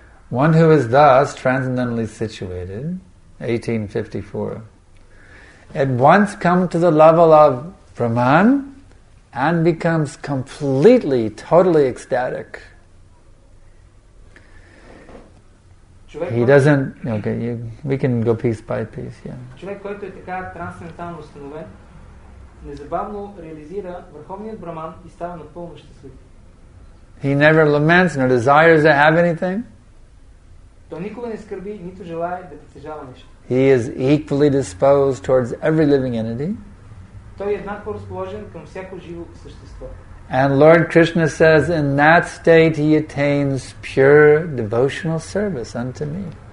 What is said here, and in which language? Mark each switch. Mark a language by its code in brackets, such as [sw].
[en] One who is thus transcendentally situated, 1854, at once come to the level of Brahman and becomes completely, totally ecstatic. He doesn't. Okay, you, we can go piece by piece. Yeah. [bg] Човек, който е така трансцендентално установен, незабавно реализира върховният браман и става напълно щастлив. [en] He never laments nor desires to have anything. [bg] Той никога не скърби, нито желае да притежава нещо. [en] He is equally disposed towards every living entity. [bg] Той е еднакво разположен към всяко живо същество. [en] And Lord Krishna says, in that state he attains pure devotional service unto me.